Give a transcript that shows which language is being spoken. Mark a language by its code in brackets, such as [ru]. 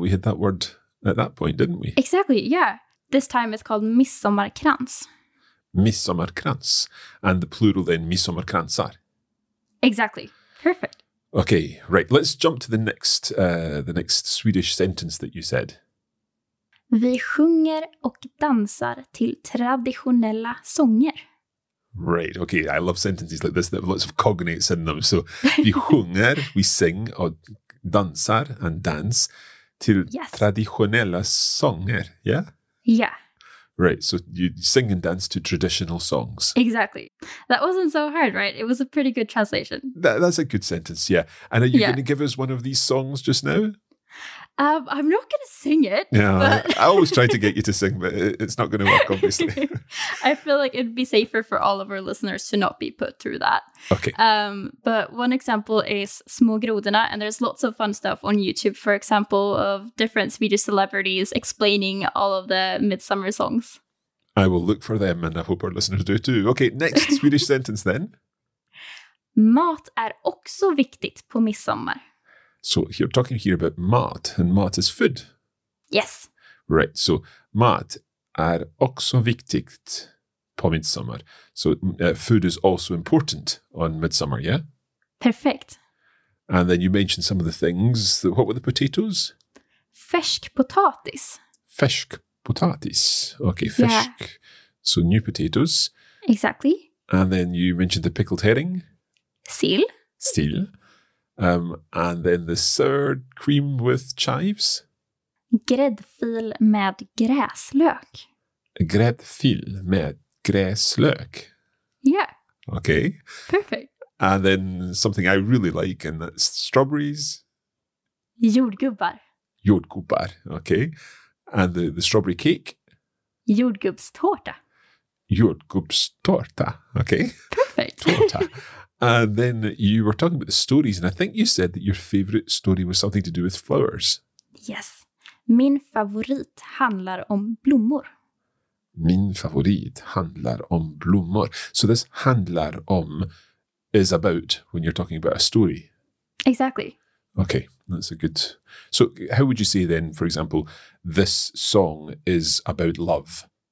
[en] We had that word at that point, didn't we? Exactly, yeah. This time it's called midsommarkrans. Midsommarkrans. And the plural then, midsommarkransar. Exactly. Perfect. Okay, right. Let's jump to the next Swedish sentence that you said. [sv] Vi sjunger och dansar till traditionella sånger. [en] Right, okay. I love sentences like this that have lots of cognates in them. So, [sv] vi sjunger, [en] we sing, [sv] och dansar, [en] and dance, [sv] till [en] yes. [sv] traditionella sånger, [en] yeah? Yeah. Right, so you sing and dance to traditional songs. Exactly. That wasn't so hard, right? It was a pretty good translation. That's a good sentence, yeah. And are you going to give us one of these songs just now? I'm not going to sing it. Yeah, but... I always try to get you to sing, but it's not going to work, obviously. I feel like it'd be safer for all of our listeners to not be put through that. Okay. But one example is Små grodorna, and there's lots of fun stuff on YouTube, for example, of different Swedish celebrities explaining all of the midsummer songs. I will look for them, and I hope our listeners do too. Okay, next Swedish sentence then. [sv] Mat är också viktigt på midsommar. [en] So you're talking here about mat, and mat is food. Yes. Right. [sv] So mat är också viktigt på midsommar. [en] So food is also important on midsommar, yeah? Perfect. And then you mentioned some of the things. What were the potatoes? [sv] Färsk potatis. [en] Okay, färsk. Yeah. So new potatoes. Exactly. And then you mentioned the pickled herring. [sv] Sill. [en] And then the sour cream with chives? [sv] Gräddfil med gräslök. Gräddfil med gräslök. [en] Yeah. Okay. Perfect. And then something I really like, and that's strawberries? [sv] Jordgubbar. [en] Okay. And the strawberry cake? [sv] Jordgubbstårta. [en] Okay. Perfect. [sv] Torta. [en] And then you were talking about the stories, and I think you said that your favorite story was something to do with flowers. Yes. [sv] Min favorit handlar om blommor. Min favorit handlar om blommor. [en] So this [sv] handlar om [en] is about when you're talking about a story. Exactly. Okay, that's a good... So how would you say then, for example, this song is about love?